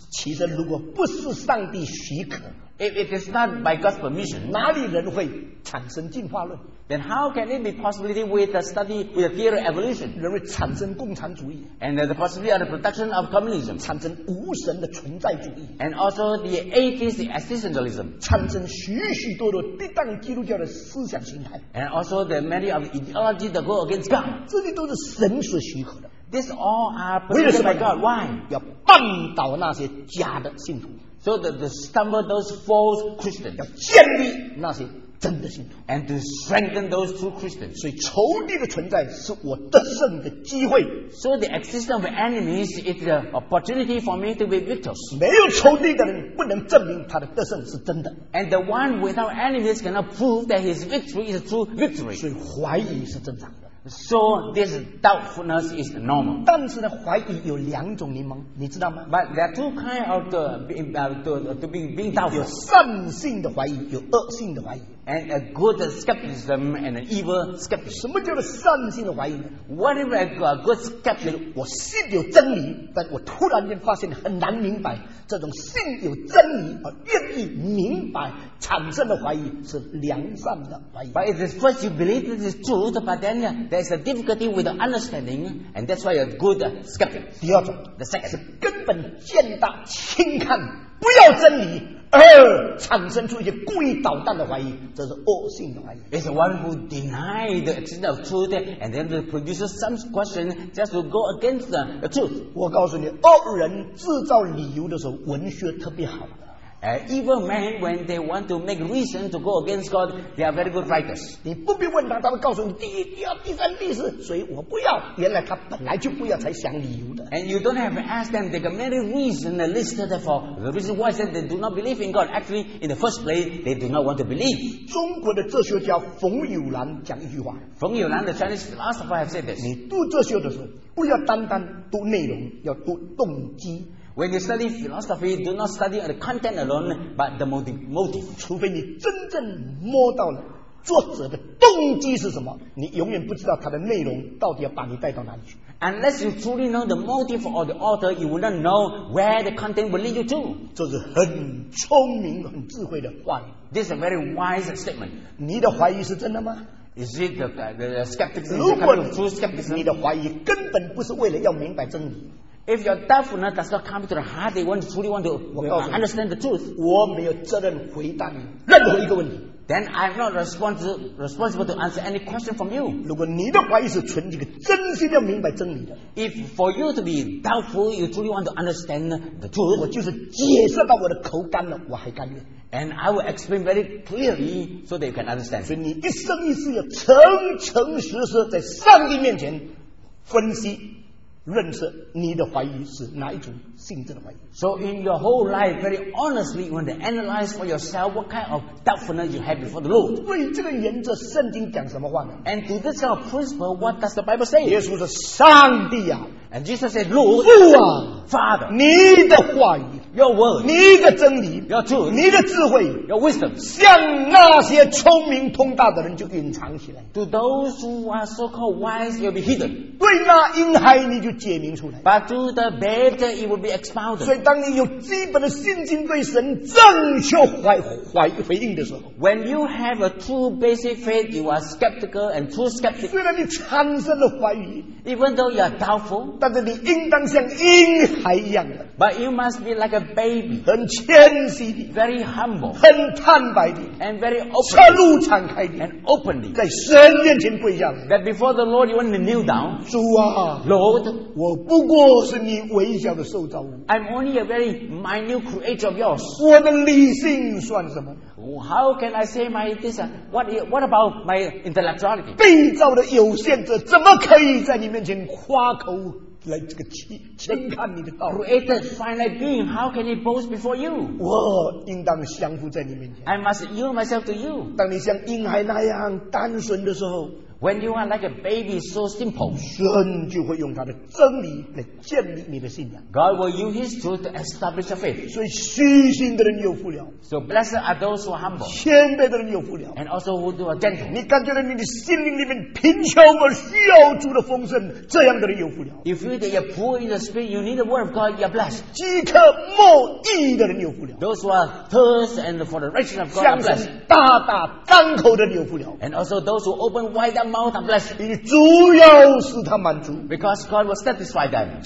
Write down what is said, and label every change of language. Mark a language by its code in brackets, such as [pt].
[zh] 其实如果不是上帝许可， [en] if it is not by God's permission, [zh] 哪里人会产生进化论？ [en] Then how can it be possibility with the study with the theory of evolution? [zh] 人会产生共产主义。 [en] And the possibility of the production of communism. [zh] 产生无神的存在主义。 [en] And also the atheist existentialism. [zh] 产生许许多多抵挡基督教的思想形态。 [en] And also the many of ideologies that go against God. [zh] 这些都是神所许可的。 [en] These all are permitted by God. Why? [zh] 要绊倒那些假的信徒。 [en] So that to stumble those false Christians. [zh] 要建立那些真的信徒。 [en] And to strengthen those true Christians. [zh] 所以仇敌的存在是我得胜的机会。 [en] So the existence of enemies is an opportunity for me to be victors. [zh] 没有仇敌的人不能证明他的得胜是真的。 [en] And the one without enemies cannot prove that his victory is a true victory. [zh] 所以怀疑是正常的。 [en] So this doubtfulness is the normal. [zh] 但是呢，怀疑有两种柠檬，你知道吗？ [en] But there are two kinds of being doubtful. [zh] 有善性的怀疑，有恶性的怀疑。 [en] And a good skepticism and an evil skepticism. [zh] 什么叫做善性的怀疑呢？ [en] What if I got a good skeptic? [zh] 我信有真理，但我突然间发现很难明白。这种信有真理而愿意明白产生的怀疑是良善的怀疑。 [en] But it is first you believe this is true, but then there is a difficulty with the understanding, and that's why you're a good skeptic. [zh] 第二种， [en] the second [zh] 是根本见大轻看，不要真理。产生出一些故意捣蛋的怀疑，这是恶性的怀疑。 [en] It's one who denies the existence of truth and then produces some question just to go against the truth. [zh] 我告诉你，恶人制造理由的时候，文学特别好。 [en] Evil men, when they want to make reason to go against God, they are very good writers. [zh] 你不必问他，他会告诉你第一、第二、第三、第四，所以我不要。原来他本来就不要，才想理由的。 [en] And you don't have to ask them. They got many reasons listed for the reason why they do not believe in God. Actually, in the first place, they do not want to believe. [zh] 中国的哲学家冯友兰讲一句话。 [en] 冯友兰 the Chinese philosopher, has said this. [zh] 你读哲学的时候，不要单单读内容，要读动机。 [en] When you study philosophy, do not study the content alone, but the motive. [zh] 除非你真正摸到了作者的动机是什么，你永远不知道他的内容到底要把你带到哪里去。 [en] Unless you truly know the motive of the author, you will not know where the content will lead you to. [zh] 这是很聪明、很智慧的话语。 [en] This is a very wise statement. [zh] 你的怀疑是真的吗？ [en] Is it the skepticism? [zh] 如果 [en] true skepticism? [zh] 你的怀疑根本不是为了要明白真理。 [en] If your doubtfulness does not come to the heart, they want to truly want to understand the truth. [zh] 我没有责任回答你任何一个问题。 [en] Then I'm not responsible to answer any question from you. [zh] 如果你的怀疑是纯一个真心要明白真理的。 [en] If for you to be doubtful, you truly want to understand the truth. [zh] 我就是解释到我的口干了，我还甘愿。 [en] And I will explain very clearly so that you can understand. [zh] 所以你一生一世要诚诚实实在上帝面前分析。认识你的怀疑是哪一种性质的怀疑。 [en] So in your whole life, very honestly, you want to analyze for yourself what kind of doubtfulness you have before the Lord. [zh] 为这个原则，圣经讲什么话呢？ [en] And to this kind of principle, what does the Bible say? [zh] 耶稣说：“上帝啊。” [en] And Jesus said, Lord, [zh] 父啊， [en] Father, [zh] 你的话语， [en] Your word, [zh] 你的真理， [en] Your truth, [zh] 你的智慧， [en] Your wisdom, [zh] 向那些聪明通达的人就隐藏起来。 [en] To those who are so-called wise, you'll be hidden. [zh] 对那婴孩你就解明出来。 [en] But to the babe, it will be expounded. [zh] 所以当你有基本的信心对神正确回应的时候， [en] When you have a true basic faith, you are skeptical and too skeptical. [zh] 虽然你产生了怀疑， [en] Even though you are doubtful, [zh] 但是你应当像婴孩一样的 [en] ，But you must be like a baby， [zh] 很谦虚的 [en] ，very humble， [zh] 很坦白的 [en] ，and very open， [zh] 侧路敞开的 [en] ，and openly， [zh] 在神面前跪下 [en] ，that before the Lord you want to kneel down， [zh] 主啊 [en] ，Lord， [zh] 我不过是你微小的受造物 [en] ，I'm only a very minute creature of yours， [zh] 我的理性算什么 [en] ？How can I say my this？ What about my intellectuality？ [zh] 被造的有限者怎么可以在你面前夸口？来这个轻看你的道理。 [en] Created finite being, how can he boast before you? [zh] 我应当降服在你面前。 [en] I must yield myself to you. [zh] 当你像婴孩那样单纯的时候。 [en] When you are like a baby, so simple. [zh] 神就会用他的真理来建立你的信仰。 [en] God will use His truth to establish your faith. [zh] 所以虚心的人有福了。 [en] So blessed are those who are humble. [zh] 谦卑的人有福了。 [en] And also who are gentle. [zh] 你感觉到你的心灵里面贫穷而需要主的丰盛，这样的人有福了。 [en] You feel that you're poor in the spirit, you need the word of God, you're blessed. [zh] 饥渴慕义的人有福了。 [en] Those who are thirst and for the righteousness of God, you're blessed. [zh] 大大张口的人有福了。 [en] And also those who open wide their mouth are blessed. [zh] 因为主要使他满足。 [en] Because God will satisfy them.